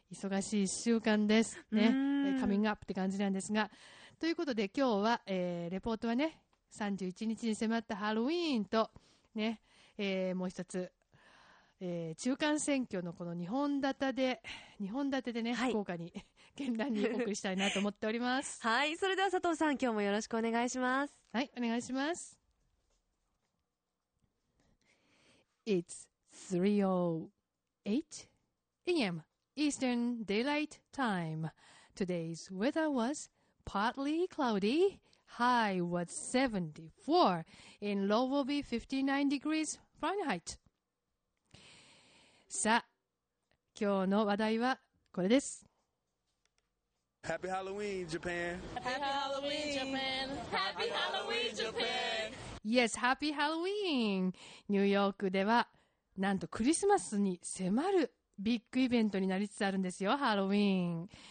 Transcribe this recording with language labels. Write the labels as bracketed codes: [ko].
[ja] 忙しい一週間ですね、カミングアップって感じなんですが、ということで今日は、レポートはね31日に迫ったハロウィーンとね、もう一つ、中間選挙のこの2本立てでね、はい、福岡に県内にお送りしたいなと思っております。はい、それでは佐藤さん今日もよろしくお願いします。はい、お願いします。 [en] It's 3:08 AM Eastern Daylight Time. Today's weather was partly cloudy. High was 74 and low will be 59 degrees Fahrenheit. [ja] さあ今日の話題はこれです。 [en] Happy Halloween, Japan. Happy Halloween, Japan. Happy Halloween, Japan. Yes, Happy Halloween. [ja] ニューヨークでは、なんとクリスマスに迫るビッグイベントになりつつあるんですよ、ハロウィーン。